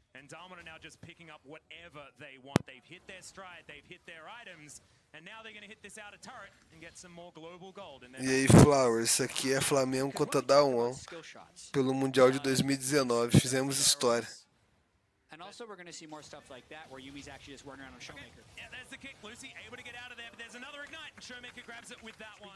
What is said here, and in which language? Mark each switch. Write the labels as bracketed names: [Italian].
[English] Dominant now just picking up whatever they want. They've hit their stride, they've hit their items, and now they're gonna hit this outer turret and get some more global gold. [Portuguese] E aí, Flower, isso aqui é Flamengo contra Dawn pelo Mundial de 2019. Fizemos história. [English] And also we're gonna see more stuff like that where Yumi's actually just running around on Showmaker. Okay. Yeah, there's the kick. Lucy able to get out of there, but there's another ignite, and Showmaker grabs it with that one.